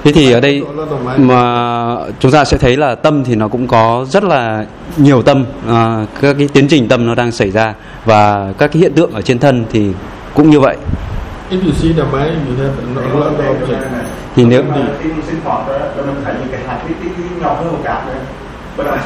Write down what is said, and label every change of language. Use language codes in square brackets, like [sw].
[vi] Thế thì ở đây mà chúng ta sẽ thấy là tâm thì nó cũng có rất là nhiều tâm, các cái tiến trình tâm nó đang xảy ra và các cái hiện tượng ở trên thân thì cũng như vậy. [en] If you see the mind, you have a lot of object. [vi] Thì nếu khi mình sinh hoạt đó, mình thấy những cái hạt tí nhỏ hơn một cạn đấy.